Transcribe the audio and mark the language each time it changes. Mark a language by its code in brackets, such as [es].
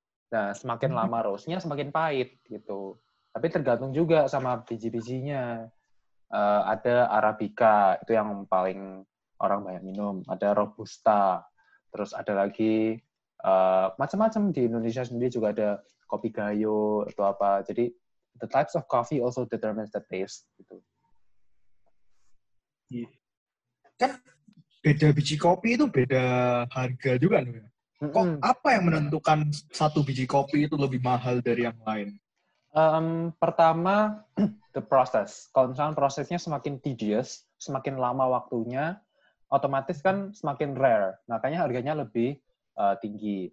[id] Nah, semakin lama roastnya semakin pahit gitu. Tapi tergantung juga sama biji-bijinya. Ada Arabica, itu yang paling orang banyak minum. Ada Robusta. Terus ada lagi macam-macam di Indonesia sendiri juga ada kopi gayo atau apa. [en] Jadi the types of coffee also determines the taste. [id] Gitu. Kan beda biji kopi itu beda harga juga. Kok apa yang menentukan satu biji kopi itu lebih mahal dari yang lain? Pertama, [en] the process. [id] Kalau misalnya prosesnya semakin tedious, semakin lama waktunya, otomatis kan semakin rare. Makanya harganya lebih tinggi.